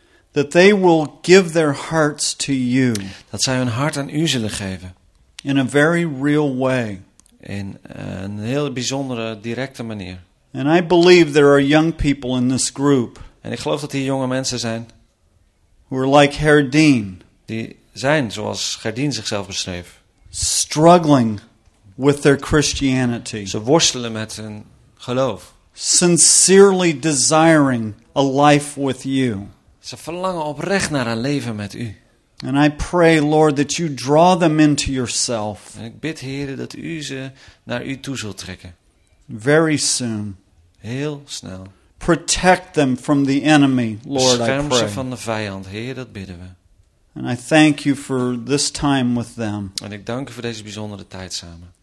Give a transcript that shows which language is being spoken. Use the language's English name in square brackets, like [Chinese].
[English] That they will give their hearts to you. [Dutch] Dat zij hun hart aan u zullen geven. [English] In a very real way. [Dutch] In een heel bijzondere, directe manier. [English] And I believe there are young people in this group. [Dutch] En ik geloof dat hier jonge mensen zijn. [English] who are like Gerdien, [Dutch] die zijn zoals Gerdien zichzelf beschreef, [English] struggling with their Christianity. [Dutch] Ze worstelen met hun geloof. [English] Sincerely desiring a life with you. [Dutch] Ze verlangen oprecht naar een leven met u. [English] And I pray, Lord, that you draw them into yourself. [Dutch] En ik bid, Heere, dat u ze naar u toe zult trekken. [English] Very soon. [Dutch] Heel snel. [English] Protect them from the enemy, Lord, I pray. [Dutch] Bescherm ze van de vijand, Heer, dat bidden we. [English] And I thank you for this time with them. [Dutch] En ik dank u voor deze bijzondere tijd samen.